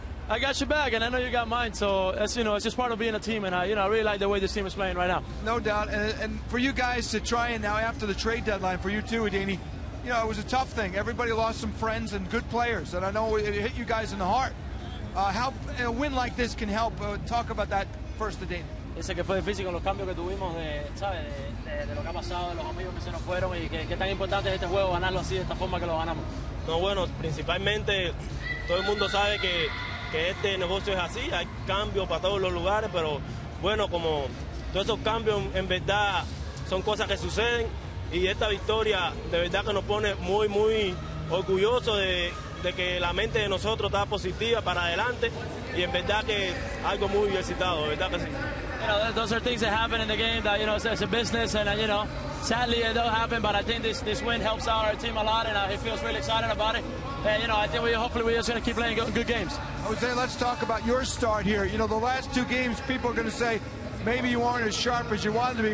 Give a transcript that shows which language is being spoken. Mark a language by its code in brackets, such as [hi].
[en] I got your back, and I know you got mine, so, it's just part of being a team, and, I really like the way this team is playing right now. No doubt, and for you guys to try and now after the trade deadline, for you too, Adani, you know, it was a tough thing. Everybody lost some friends and good players, and I know it hit you guys in the heart. How a win like this can help? Talk about that first, Adani. [es] Ese que fue difícil con los cambios que tuvimos, de lo que ha pasado, de los amigos que se nos fueron, y que tan importante es este juego ganarlo así, de esta forma que lo ganamos. No, bueno, principalmente, todo el mundo sabe que este negocio es así. Hay cambios para todos los lugares, pero bueno, como todos esos cambios, en verdad, son cosas que suceden. Y esta victoria de verdad que nos pone muy, muy orgulloso de que la mente de nosotros está positiva para adelante y en verdad que algo muy excitado, ¿verdad que sí? [en] You know, those are things that happen in the game that, you know, it's a business and, you know, sadly it don't happen, but I think this win helps out our team a lot and he feels really excited about it. And, you know, I think hopefully we're just going to keep playing good games. Jose, let's talk about your start here. You know, the last two games, people are going to say, maybe you aren't as sharp as you wanted to be.